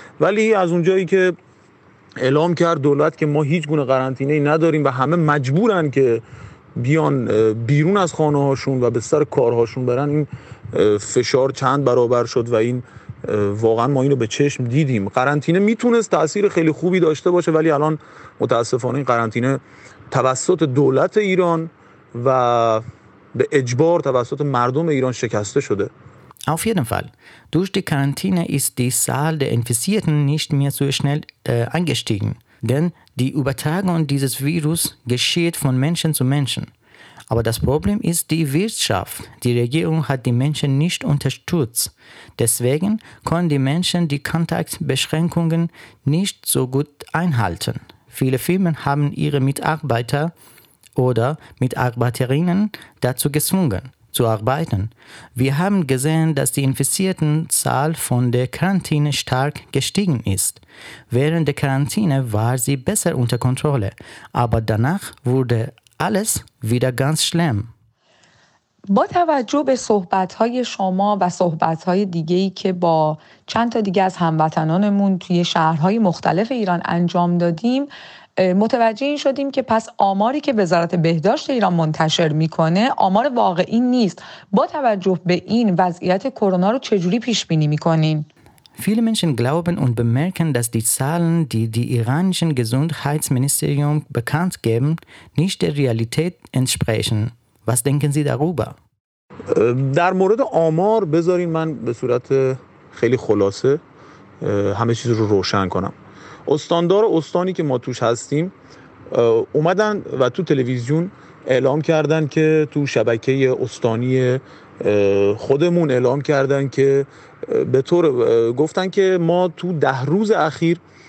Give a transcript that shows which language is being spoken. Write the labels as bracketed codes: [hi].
[fa] ولی از اونجایی که اعلام کرد دولت که ما هیچ گونه قرنطینه‌ای نداریم و همه مجبورن که بیان بیرون از خانه هاشون و به سر کارهاشون برن، این فشار چند برابر شد و این واقعا ما اینو به چشم دیدیم. قرنطینه میتونست تأثیر خیلی خوبی داشته باشه، ولی الان متاسفانه این قرنطینه توسط دولت ایران و به اجبار توسط مردم ایران شکسته شده. [de] Auf jeden Fall. Durch die Quarantäne ist die Zahl der Infizierten nicht mehr so schnell angestiegen, denn die Übertragung dieses Virus geschieht von Menschen zu Menschen. Aber das Problem ist die Wirtschaft. Die Regierung hat die Menschen nicht unterstützt. Deswegen konnten die Menschen die Kontaktbeschränkungen nicht so gut einhalten. Viele Firmen haben ihre Mitarbeiter oder Mitarbeiterinnen dazu gezwungen, zu arbeiten. Wir haben gesehen, dass die Infiziertenzahl von der Quarantäne stark gestiegen ist. Während der Quarantäne war sie besser unter Kontrolle, aber danach wurde alles wieder ganz schlimm. [fa] با توجه به صحبت‌های شما و صحبت‌های دیگه‌ای که با چند تا دیگه از هموطنانمون توی شهرهای مختلف ایران انجام دادیم، متوجه این شدیم که پس آماری که وزارت بهداشت ایران منتشر میکنه آمار واقعی نیست. با توجه به این وضعیت کرونا رو چجوری پیش بینی میکنین؟ [de] Viele Menschen glauben und bemerken, dass die Zahlen, die die iranischen Gesundheitsministerium bekannt geben, nicht der Realität entsprechen. Was denken Sie darüber? [fa] در مورد آمار بذارین من به صورت خیلی خلاصه همه چیز رو روشن کنم. استاندار استانی که ما توش هستیم اومدن و تو تلویزیون اعلام کردن که تو شبکه استانی خودمون اعلام کردن که به طور گفتن که ما تو 10 روز اخیر